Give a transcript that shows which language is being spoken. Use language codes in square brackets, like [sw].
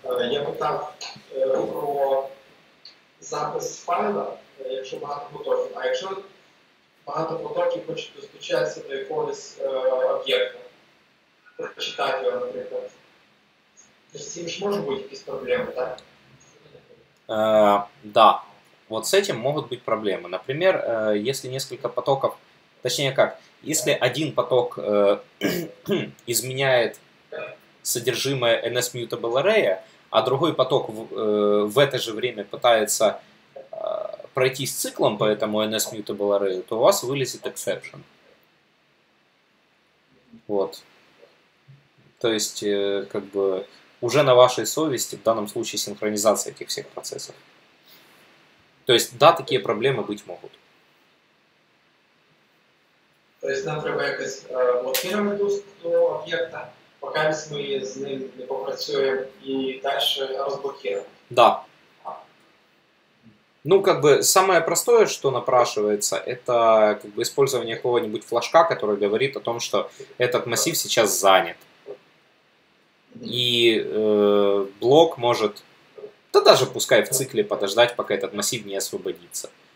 [uk] Я питав про запис файла, якщо багато потоків. А якщо багато потоків хочуть достучатися до якогось об'єкта, прочитати його, наприклад, то з цим ж може бути якісь проблеми, так? [ru] Да. Вот с этим могут быть проблемы. Например, если несколько потоков, точнее как, если один поток изменяет содержимое NSMutable Array, а другой поток в это же время пытается пройтись циклом по этому NSMutable Array, то у вас вылезет exception. Вот. То есть, как бы, уже на вашей совести в данном случае синхронизация этих всех процессов. То есть, да, такие проблемы быть могут. [uk] То есть нам треба якось блокируємо доступ до об'єкта, пока ми з ним не попрацюємо і далі розблокируємо. [ru] Да. Ну, как бы самое простое, что напрашивается, это как бы использование какого-нибудь флажка, который говорит о том, что этот массив сейчас занят. И блок может. Да даже пускай в цикле подождать, пока этот массив не освободится.